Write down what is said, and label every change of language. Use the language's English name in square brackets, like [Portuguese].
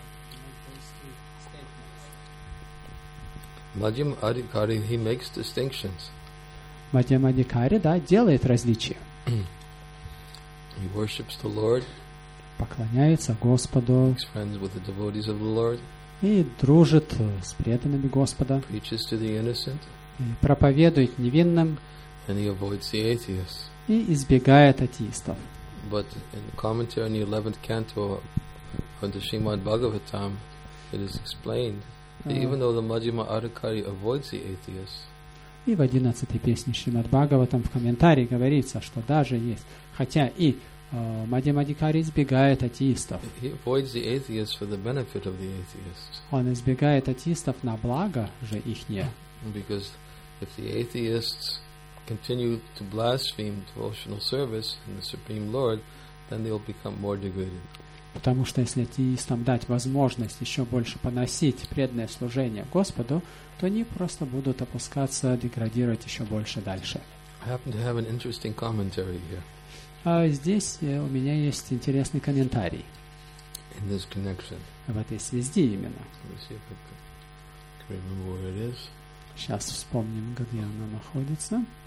[English] And make those three statements. Madhyama Adhikari, he makes distinctions. [Russian] Madhyama Adhikari, да, делает различия. [English] He worships the Lord. [Russian] Поклоняется Господу. [English] He's friends with the devotees of the Lord. [Russian] И дружит с преданными Господа. [English] Preaches to the innocent. [Russian] И проповедует невинным. [English] And he avoids the atheists. [Russian] И избегает атеистов. [English] But in the commentary on the 11th canto of the Srimad Bhagavatam, it is explained that even though the Madhyama Adhikari avoids the atheists. [Russian] И в 11-й песне Шримад Бхагаватам в комментарии говорится, что даже есть, хотя и Мадхьяма Адхикари избегает атеистов. [English] He avoids the atheists for the benefit of the atheists. [Russian] Он избегает атеистов на благо же ихнее. [English] Because if the atheists continue to blaspheme devotional service in the Supreme Lord, then they will become more degraded. [Russian] Потому что если атеистам дать возможность еще больше поносить преданное служение Господу, то они просто будут опускаться, деградировать еще больше дальше. [English] I happen to have an interesting commentary here. [Russian] Здесь у меня есть интересный комментарий. [English] In this connection. [Russian] В этой связи именно. [English] Let's see if I can remember where it is. [Russian] Сейчас вспомним, где она находится.